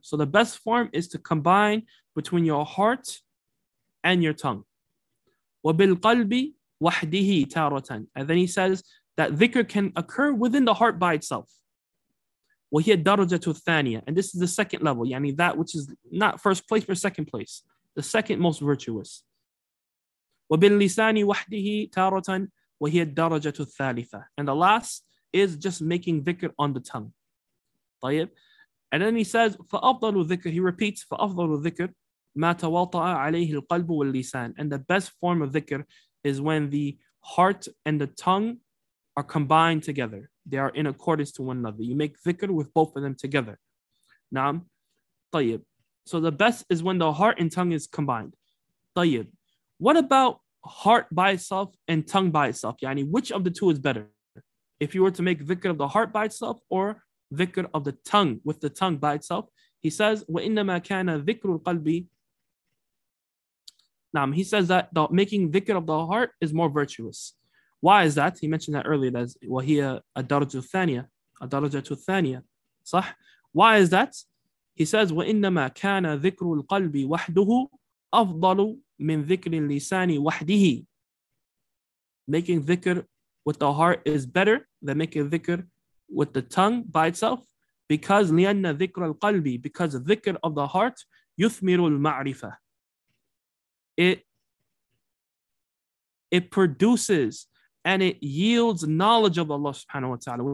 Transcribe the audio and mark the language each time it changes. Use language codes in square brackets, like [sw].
[en] So the best form is to combine between your heart and your tongue. [ar] وَبِالْقَلْبِ وَحْدِهِ تَارَةً, [en] and then he says that dhikr can occur within the heart by itself. [ar] وَهِيَ الدَّرَجَةُ الثَّانِيَةُ, [en] and this is the second level, yani that which is not first place but second place, the second most virtuous. [ar] وَبِاللِّسَانِ وَحْدِهِ تَارَةً وَهِيَ الدَّرَجَةُ الثَّالِثَةُ, [en] and the last is just making dhikr on the tongue. [ar] طيب. [en] And then he says, فَأَفْضَلُ ذِكْرِ He repeats, [ar] فَأَفْضَلُ ذِكْرِ مَا تَوَاطَعَ عَلَيْهِ الْقَلْبُ وَالْلِسَانِ [en] And the best form of dhikr is when the heart and the tongue are combined together. They are in accordance to one another. You make dhikr with both of them together. [ar] نعم. طيب. [en] So the best is when the heart and tongue is combined. [ar] طيب. [en] What about heart by itself and tongue by itself? [ar] يعني [en] which of the two is better? If you were to make dhikr of the heart by itself or dhikr of the tongue with the tongue by itself, he says, [ar] وَإِنَّمَا كَانَ ذِكْرُ الْقَلْبِ نعم, [en] he says that the making dhikr of the heart is more virtuous. Why is that? He mentioned that earlier, that's [ar] وَهِيَ أَدَرْجُ الثَّانِيَ أَدَرْجَةُ الثَّانِيَ [en] صح? Why is that? He says, [ar] وَإِنَّمَا كَانَ ذِكْرُ الْقَلْبِ وَحْدُهُ أَفْضَلُ مِنْ ذِكْرِ اللِّسَانِ وَحْدِهِ [en] Making dhikr with the heart is better than making dhikr with the tongue by itself, because [ar] لِأَنَّ ذِكْرَ الْقَلْبِ [en] Because dhikr of the heart [ar] يُثْمِرُ الْمَعْرِفَةِ [en] It produces and it yields knowledge of Allah subhanahu wa ta'ala.